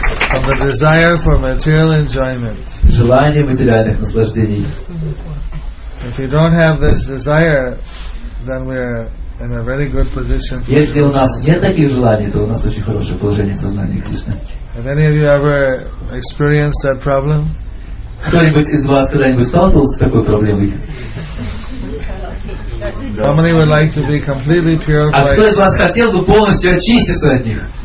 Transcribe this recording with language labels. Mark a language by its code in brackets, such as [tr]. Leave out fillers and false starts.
[en] From the desire for material enjoyment. [ru] Желание материальных наслаждений. [en] If we don't have this desire, then we're in a very good position. [ru] Если у нас нет таких желаний, то у нас очень хорошее положение в сознании Кришны. [en] Have any of you ever experienced that problem? [ru] Кто-нибудь из вас когда-нибудь сталкивался с такой проблемой? [en] How many would like to be completely purified? [ru] А кто из вас хотел бы полностью очиститься от них?